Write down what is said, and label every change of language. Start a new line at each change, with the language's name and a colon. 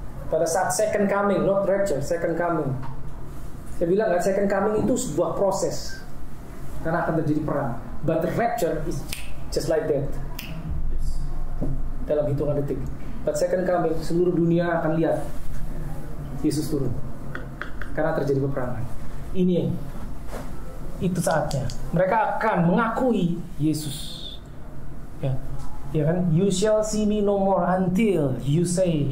Indonesian: Pada saat
English: second coming, not rapture, second coming.
Indonesian: Saya bilang nggak, second coming itu sebuah proses karena akan terjadi perang.
English: But rapture is just like that,
Indonesian: dalam hitungan detik.
English: But second coming,
Indonesian: seluruh dunia akan lihat Yesus turun karena terjadi peperangan. Ini itu saatnya mereka akan mengakui Yesus. Ya. Ya kan?
English: You shall see me no more until you say.